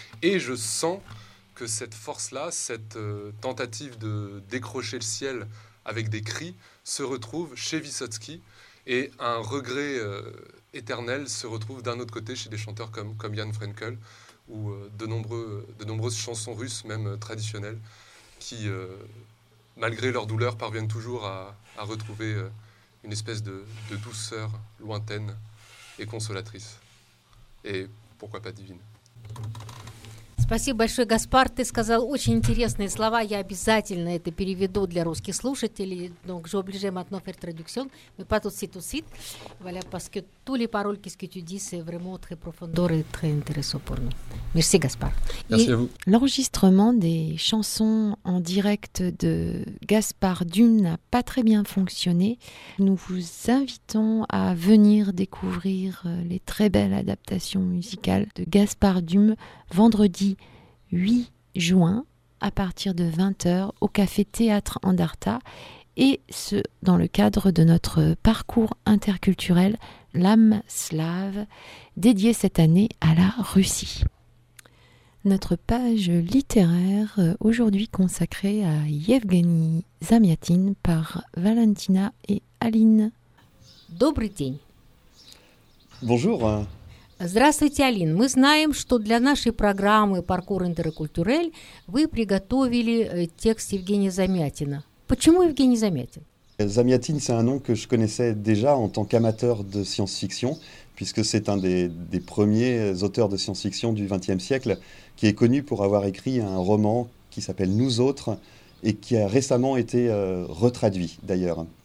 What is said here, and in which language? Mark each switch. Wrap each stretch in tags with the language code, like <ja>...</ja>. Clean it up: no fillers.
<fr>Et je sens que cette force-là, cette tentative de décrocher le ciel avec des cris, se retrouve chez Vysotsky, et un regret éternel se retrouve d'un autre côté chez des chanteurs comme Jan Frenkel, ou de nombreuses chansons russes, même traditionnelles, qui, malgré leur douleur, parviennent toujours à retrouver une espèce de douceur lointaine et consolatrice, et pourquoi pas divine.</fr> <ru>Спасибо большое, Гаспар. Ты сказал очень интересные слова. Я обязательно это переведу для русских слушателей.</ru> <fr>Donc, je oblige maintenant faire traduction. Mais pas tout de suite, tout de suite. Voilà, parce que tous les paroles qu'est-ce que tu dis, c'est vraiment très profondeur et très intéressant pour nous. Merci, Gaspar. Merci et à vous. L'enregistrement des chansons en direct de Gaspar Dune n'a pas très bien fonctionné. Nous vous invitons à venir découvrir les très belles adaptations musicales de Gaspar Dune vendredi 8 juin à partir de 20h au Café Théâtre Andarta et ce, dans le cadre de notre parcours interculturel L'âme slave, dédié cette année à la Russie. Notre page littéraire, aujourd'hui consacrée à Yevgeny Zamyatin par Valentina et Aline.</fr> <ru>Добрый день.</ru> <fr>Bonjour.</fr> <ru>Здравствуйте, Алин. Мы знаем, что для нашей программы «Паркур интеркультурель» вы приготовили текст Евгения Замятина. Почему Евгений Замятин?</ru> <fr>Замятин, c'est un nom que je connaissais déjà en tant qu'amateur de science-fiction, puisque c'est un des premiers auteurs de science-fiction du XXe siècle qui est connu pour avoir écrit un roman qui s'appelle « Nous autres » et qui a récemment été retraduit d'ailleurs.</fr>